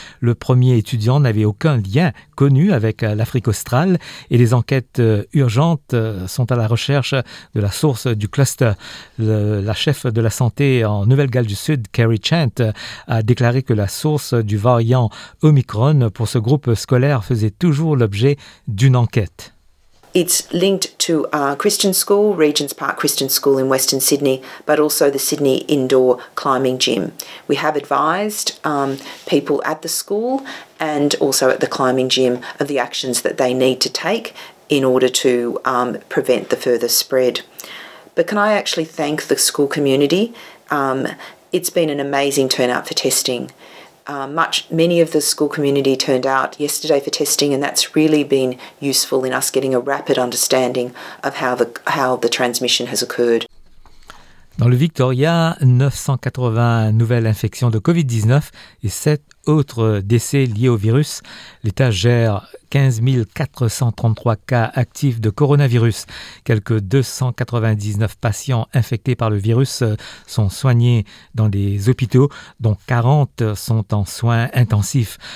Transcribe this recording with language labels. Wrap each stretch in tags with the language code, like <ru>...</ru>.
<fr>Le premier étudiant n'avait aucun lien connu avec l'Afrique australe et les enquêtes urgentes sont à la recherche de la source du cluster. La chef de la santé en Nouvelle-Galles du Sud, Kerry Chant, a déclaré que la source du variant Omicron pour ce groupe scolaire faisait toujours l'objet d'une enquête.</fr> <en>It's linked to a Christian school, Regent's Park Christian School in Western Sydney, but also the Sydney Indoor Climbing Gym. We have advised people at the school and also at the climbing gym of the actions that they need to take in order to prevent the further spread. But can I actually thank the school community? It's been an amazing turnout for testing. Many of the school community turned out yesterday for testing, and that's really been useful in us getting a rapid understanding of how the transmission has occurred.</en> <fr>Dans le Victoria, 980 nouvelles infections de COVID-19 et 7 autres décès liés au virus. L'État gère 15 433 cas actifs de coronavirus. Quelques 299 patients infectés par le virus sont soignés dans des hôpitaux, dont 40 sont en soins intensifs.</fr>